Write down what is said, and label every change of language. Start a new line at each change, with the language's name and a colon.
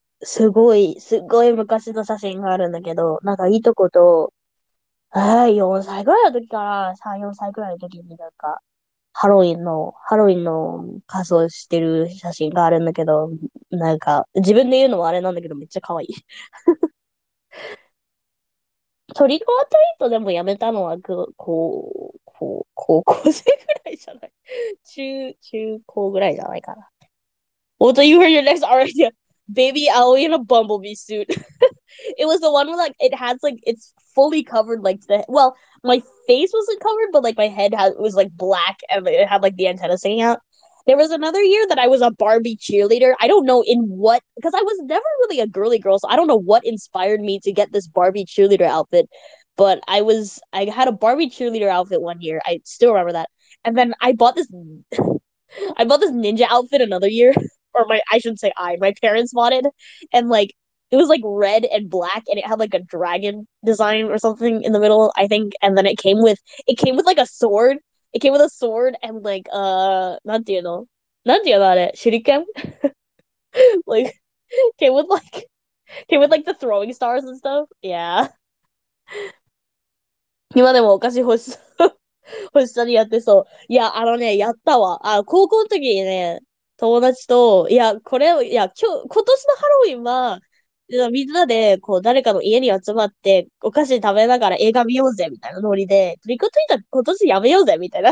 Japanese: すごい、すごい昔の写真があるんだけど、なんかいいとこと、4歳ぐらいの時かな、3、4歳ぐらいの時になんか、ハロウィンの仮装してる写真があるんだけど、なんか、自分で言うのもあれなんだけど、めっちゃ可愛い。トリコアトリートでもやめたのは、高校生ぐらいじゃない。中高ぐらいじゃないかな。
English: What do you hear your next idea? Baby Aoi in a bumblebee suit. It was the one where like it has like it's fully covered like the well my face wasn't covered but like my head had was like black and it had like the antenna sticking out. There was another year that I was a Barbie cheerleader. I don't know in what because I was never really a girly girl, so I don't know what inspired me to get this Barbie cheerleader outfit. But I had a Barbie cheerleader outfit 1 year. I still remember that. And then I bought this I bought this ninja outfit another year. Or I shouldn't say my parents bought it, and like it was like red and black, and it had like a dragon design or something in the middle, I think. And then it came with like a sword. It came with a sword and like not do you know, not do you about it, shuriken. Like came with like the throwing stars and stuff. Yeah.
Japanese: 今でもお菓子欲しそう、欲しそうにやってそう。いや、あのね、やったわ。あ、高校の時にね。友達と、いや、これ、いや、今日、今年のハロウィンは、みんなで、こう、誰かの家に集まって、お菓子食べながら映画見ようぜ、みたいなノリで、トリックトリート今年やめようぜ、みたいな。